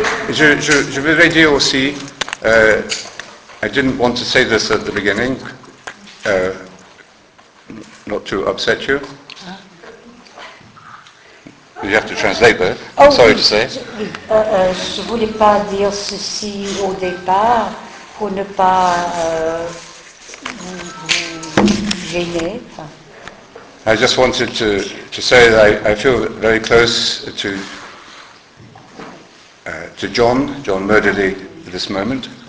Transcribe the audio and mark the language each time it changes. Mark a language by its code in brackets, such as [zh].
[fr] Je voudrais dire aussi, [en] I didn't want to say this at the beginning, not to upset you. You have to translate that. I'm sorry to say. [fr] Je ne voulais pas dire ceci au départ pour ne pas vous gêner. [en] I just wanted to say that I feel very close to John Murdely, at this moment.